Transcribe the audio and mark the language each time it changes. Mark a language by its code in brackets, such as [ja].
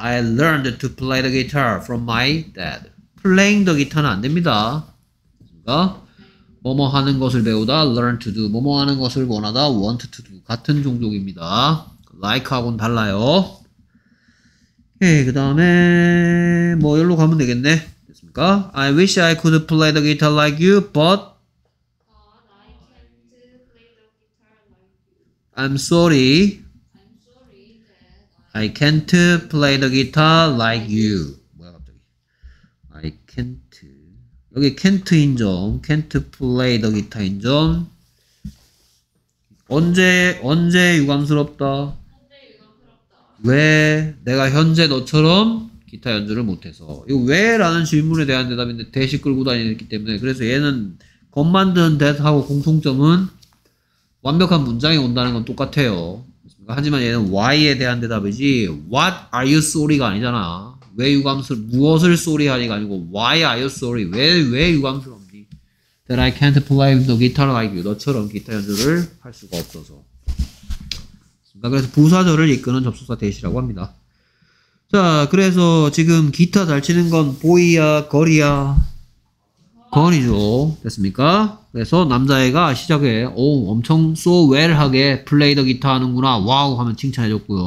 [en] I learned to play the guitar from my dad. [ko] Playing the guitar는 안 됩니다. 그러니까 뭐뭐 하는 것을 배우다. [en] Learn to do [ko] 뭐뭐 하는 것을 원하다. [en] Want to do [ko] 같은 종족입니다. Like하고는 달라요. 오케이 그 다음에 뭐 여기로 가면 되겠네. 됐습니까? [en] I wish I could play the guitar like you, but I'm sorry that I can't play the guitar like you. [ko] 뭐야 갑자기? [en] I can't. [ko] 여기 can't 인정. Can't play the guitar 인정. 언제 유감스럽다? 왜 내가 현재 너처럼 기타 연주를 못해서? 이거 왜라는 질문에 대한 대답인데 대시 끌고 다니기 때문에 그래서 얘는 겉 만든 대답하고 공통점은 완벽한 문장이 온다는 건 똑같아요. 하지만 얘는 why에 대한 대답이지 [en] what are you sorry [ko] 가 아니잖아. 왜 유감스러워? 무엇을 sorry 하니가 아니고 [en] why are you sorry? [ko] 왜 유감스러운지. [en] That I can't play the guitar like you. [ko] 너처럼 기타 연주를 할 수가 없어서. 그래서 부사절을 이끄는 접속사 대시라고 합니다. 자, 그래서 지금 기타 잘 치는 건 boy야, girl이야? girl이죠. 됐습니까? 그래서 남자애가 시작에 오 엄청 [en] so well [ko] 하게 [en] play the guitar [ko] 하는구나 와우 하면 칭찬해줬고요.